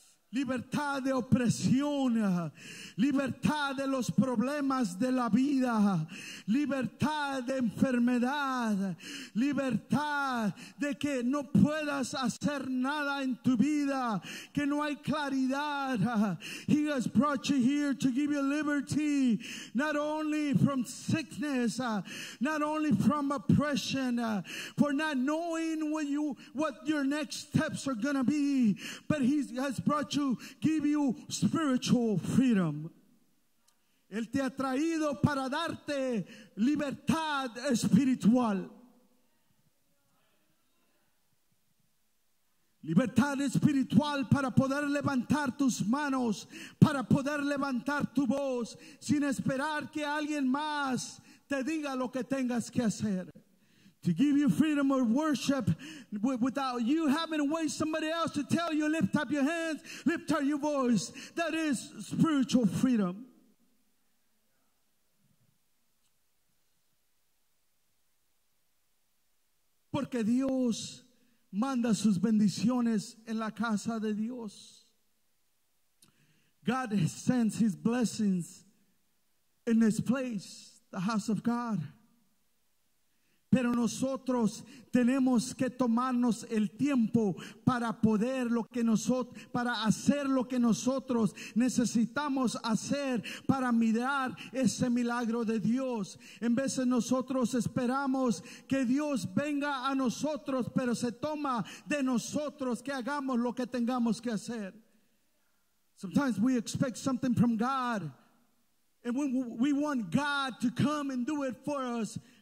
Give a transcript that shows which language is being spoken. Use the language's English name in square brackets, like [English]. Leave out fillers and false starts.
[Spanish] Libertad de opresión, libertad de los problemas de la vida, libertad de enfermedad, libertad de que no puedas hacer nada en tu vida, que no hay claridad. [English] He has brought you here to give you liberty, not only from sickness, not only from oppression, for not knowing what your next steps are going to be, but He has brought you give you spiritual freedom. [Spanish] Él te ha traído para darte libertad espiritual. Libertad espiritual para poder levantar tus manos, para poder levantar tu voz, sin esperar que alguien más te diga lo que tengas que hacer. [English] To give you freedom of worship without you having to wait somebody else to tell you, lift up your hands, lift up your voice. That is spiritual freedom. [Spanish] Porque Dios manda sus bendiciones en la casa de Dios. [English] God sends His blessings in this place, the house of God. [Spanish] Pero nosotros tenemos que tomarnos el tiempo para poder lo que nosotros, para hacer lo que nosotros necesitamos hacer para mirar ese milagro de Dios. En veces nosotros esperamos que Dios venga a nosotros, pero se toma de nosotros que hagamos lo que tengamos que hacer. [English] Sometimes we expect something from God, and we want God to come and do it for us.